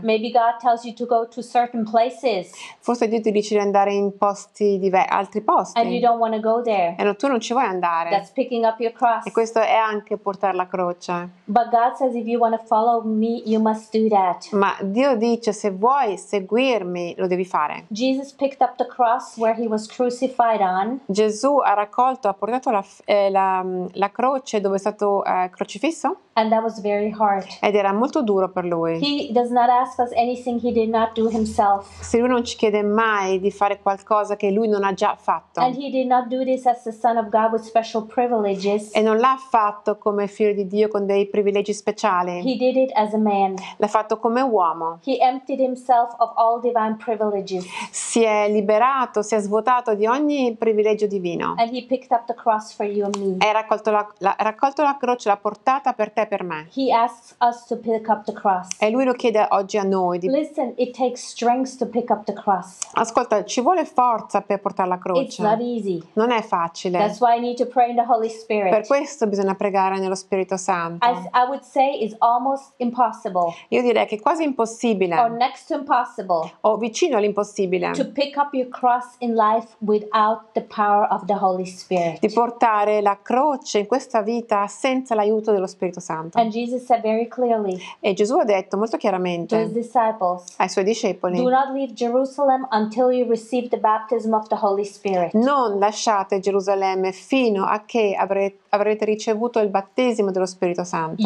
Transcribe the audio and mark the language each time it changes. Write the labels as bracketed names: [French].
[English] Maybe God tells you to go to certain places. [Italian] Forse Dio ti dice di andare in posti altri posti. [English] And you don't want to go there. [Italian] E tu non ci vuoi andare. [English] That's picking up your cross. [Italian] E questo è anche portare la croce. [English] But God says if you want to follow me, you must do that. [Italian] Ma Dio dice se vuoi seguirmi lo devi fare. [English] Jesus picked up the cross where he was crucified on. [Italian] Gesù ha raccolto, ha portato la croce dove è stato crocifisso. [English] And that was very hard. [Italian] Ed era molto duro per lui. [English] He does not ask us anything he did not do himself. [Italian] Se lui non ci chiede mai di fare qualcosa che lui non ha già fatto. [English] And he did not do this as the Son of God with special privileges. [Italian] E non l'ha fatto come figlio di Dio con dei privilegi speciali. [English] He did it as a man. [Italian] L'ha fatto come uomo. [English] He emptied himself of all divine privileges. [Italian] Si è liberato, si è svuotato di ogni privilegio divino. [English] And he picked up the cross for you and me. [Italian] E raccolto la croce, l'ha portata per te prega per me. [English] He asks us to pick up the cross. [Italian] E lui lo chiede oggi a noi. [English] Listen, it takes strength to pick up the cross. [Italian] Ascolta, ci vuole forza per portare la croce. [English] It's not easy. [Italian] Non è facile. [English] That's why I need to pray in the Holy Spirit. [Italian] Per questo bisogna pregare nello Spirito Santo. [English] As I would say, it's almost impossible. [Italian] Io direi che è quasi impossibile. [English] Or next to impossible. [Italian] O vicino all'impossibile. [English] To pick up your cross in life without the power of the Holy Spirit. [Italian] Di portare la croce in questa vita senza l'aiuto dello Spirito Santo. [English] And Jesus said very clearly, [Italian] e Gesù ha detto molto chiaramente ai suoi discepoli: [English] do not leave Jerusalem until you receive the baptism of the Holy Spirit. [Italian] Non lasciate Gerusalemme fino a che avrete ricevuto il battesimo dello Spirito Santo.